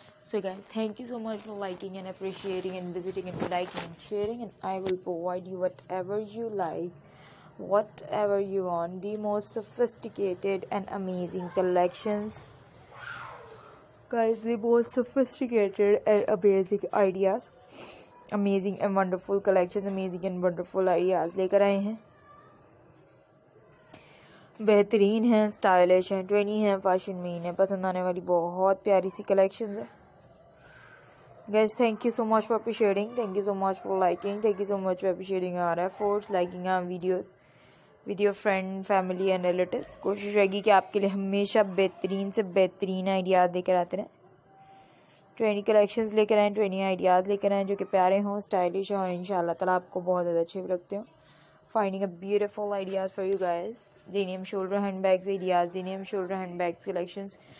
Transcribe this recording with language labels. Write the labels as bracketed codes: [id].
[en] So guys, thank you so much for liking and appreciating and visiting and liking and sharing, and I will provide you whatever you like, whatever you want, the most sophisticated and amazing collections guys, the most sophisticated and amazing ideas, amazing and wonderful collections, amazing and wonderful ideas लेकर आए हैं. [hi] बेहतरीन हैं, stylish हैं, trendy हैं, fashion में हैं, पसंद आने वाली बहुत प्यारी सी collections हैं. [en] Guys, thank you so much for appreciating, thank you so much for liking, thank you so much for appreciating our efforts, liking our videos with your friend, family and relatives. [hi] कोशिश रहेगी कि आपके लिए हमेशा बेहतरीन से बेहतरीन ideas लेकर आते रहें, ट्रेनी कलेक्शंस लेकर आएँ, ट्रेनी आइडियाज़ लेकर आएँ जो कि प्यारे हों, स्टाइलिश हों और इंशाल्लाह ताला आपको बहुत ज़्यादा अच्छे भी लगते हों. [en] Finding a beautiful ideas for you guys, denim shoulder handbags ideas, denim shoulder handbags collections.